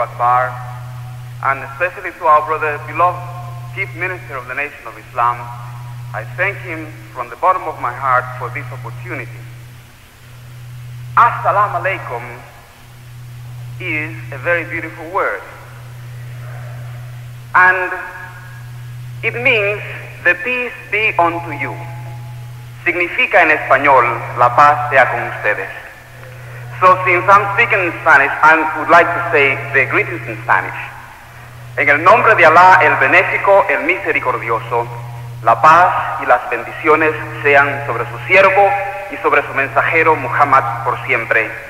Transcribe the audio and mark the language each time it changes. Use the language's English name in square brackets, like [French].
[English] Akbar, and especially to our brother, beloved chief minister of the Nation of Islam, I thank him from the bottom of my heart for this opportunity. As-salamu alaykum is a very beautiful word. And it means the peace be unto you. [Spanish] Significa en español, la paz sea con ustedes. [English] So since I'm speaking in Spanish, I would like to say the greetings in Spanish. [Spanish] En el nombre de Allah, el benéfico, el misericordioso, la paz y las bendiciones sean sobre su siervo y sobre su mensajero, Muhammad, por siempre.